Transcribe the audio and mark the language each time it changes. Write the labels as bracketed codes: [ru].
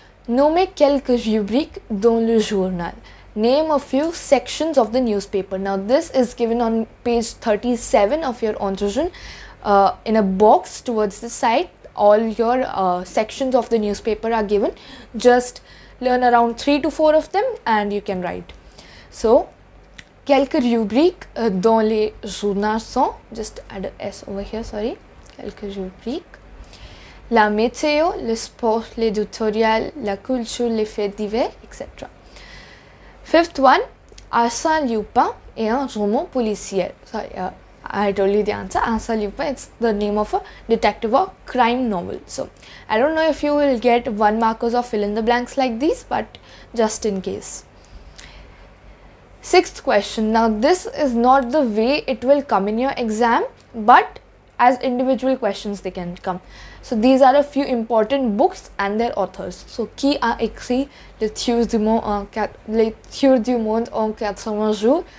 [en] Nommez quelques rubriques dans le journal. Name a few sections of the newspaper. Now this is given on page 37 of your entrejeune. In a box towards the side, all your sections of the newspaper are given. Just learn around 3 to 4 of them and you can write. So, quelques rubriques dans les journaux sont, just add a S over here, sorry. Quelques rubriques. [fr] La météo, le sport, l'éditorial, la culture, les faits divers, etc. Fifth one, Arsène Lupin et un roman policier. [en] Sorry, I told you the answer. Arsène Lupin, it's the name of a detective or crime novel. So, I don't know if you will get one markers or fill in the blanks like these, but just in case. Sixth question. Now, this is not the way it will come in your exam, but as individual questions they can come. So, these are a few important books and their authors. [fr] So, qui a écrit Les Thieurs du Monde en 80 jours?